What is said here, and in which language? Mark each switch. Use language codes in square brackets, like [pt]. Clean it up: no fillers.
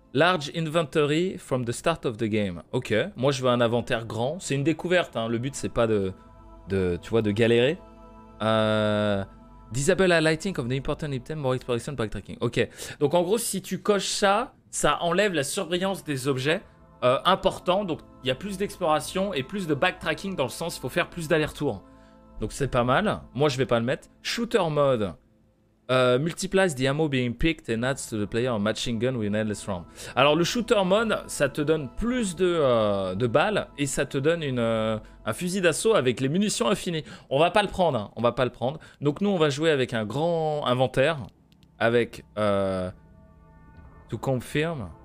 [en] Large inventory from the start of the game. Ok. [fr] Moi, je veux un inventaire grand. C'est une découverte. Hein. Le but, c'est pas de galérer. [en] Disable a lighting of the important item, more exploration, backtracking. [fr] Ok, donc en gros, si tu coches ça, ça enlève la surveillance des objets importants. Donc, il y a plus d'exploration et plus de backtracking dans le sens il faut faire plus d'aller-retour. Donc, c'est pas mal. Moi, je vais pas le mettre. [en] Shooter mode. Multiplies the ammo being picked and adds to the player a matching gun with an endless round. [fr] Alors, le shooter mode, ça te donne plus de balles et ça te donne un fusil d'assaut avec les munitions infinies. On va pas le prendre, hein. On va pas le prendre. Donc, nous, on va jouer avec un grand inventaire. [en] Avec. To confirm.